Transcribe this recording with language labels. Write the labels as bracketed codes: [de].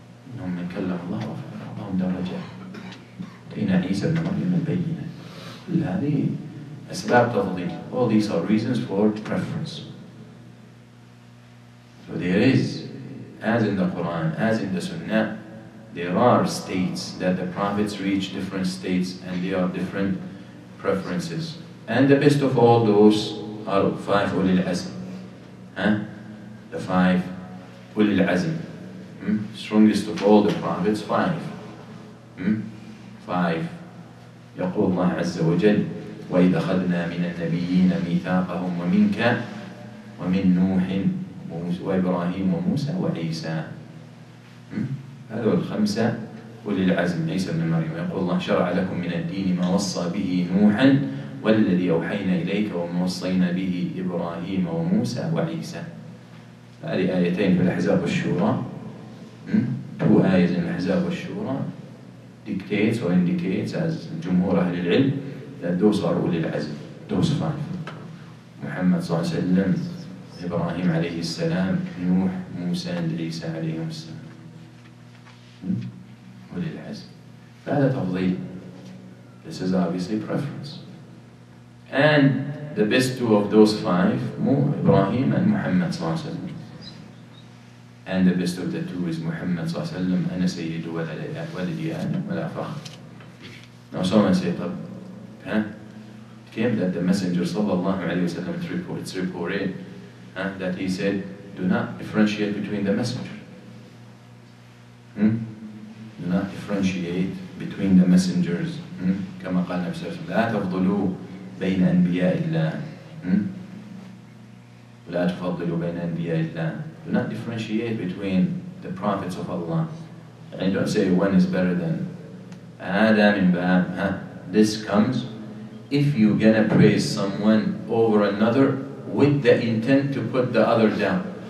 [ar] إنهم من كلم الله وفضلهم درجة. أين عيسى بن مريم البينة؟ كل هذه أسباب تفضيل. [en] All these are reasons for preference. So there is, as in the Quran, as in the Sunnah, there are states that the prophets reach different states and they are different preferences. And the best of all those are five ulil azm. The five ulil azm. Strongest of all the prophets, five. Five. [ar] يقول الله عز وجل وإذا خذنا من النبيين ميثاقهم ومنك ومن نوح وإبراهيم وموسى وعيسى. هذول الخمسة أولي العزم عيسى بن مريم. يقول الله شرع لكم من الدين ما وصى به نوحا والذي أوحينا إليك وما وصينا به إبراهيم وموسى وعيسى. هذه آيتين في الأحزاب والشورى. [en] Two آيات in الأحزاب والشورى dictates or indicates as [ar] جمهور أهل العلم [en] that those are أولي العزم. Those five. [ar] محمد صلى الله عليه وسلم, إبراهيم عليه السلام, نوح, موسى, عيسى عليهم السلام. هذا تفضيل. [en] This is obviously preference. And the best two of those five, Ibrahim and Muhammad صلى الله عليه وسلم. And the best of the two is Muhammad صلى الله عليه وسلم. [ar] أنا سيد ولدي آدم ولا فخر. [en] Now someone say, طب, it came that the messenger صلى الله عليه وسلم, it's reported that he said, do not differentiate between the messenger. Do not differentiate between the messengers. [ar] كما قال نبي صلى الله عليه وسلم لا تفضلوا بين أنبياء الله. لا تفضلوا بين أنبياء الله. [en] Do not differentiate between the prophets of Allah. And don't say one is better than [ar] هذا من باب. [en] This comes if you're gonna praise someone over another with the intent to put the other down.